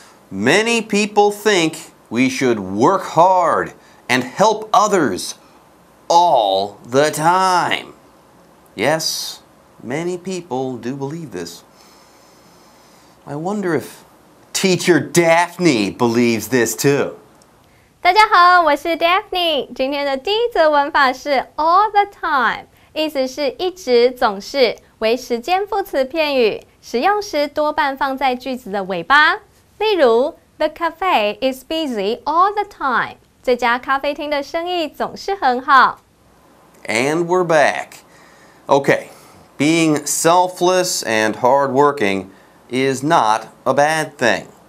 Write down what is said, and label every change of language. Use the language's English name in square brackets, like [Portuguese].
[English] Many people think we should work hard and help others all the time. Yes.Many people do believe this. I wonder if teacher Daphne believes this too. [Chinese] 大家好，我是 Daphne。今天的第一则文法是 [English] all the time， [Chinese] 意思是一直、总是，为时间副词片语，使用时多半放在句子的尾巴。例如 [English] The cafe is busy all the time， [Chinese] 这家咖啡厅的生意总是很好。 [English] And we're back. Okay, being selfless and hardworking is not a bad thing.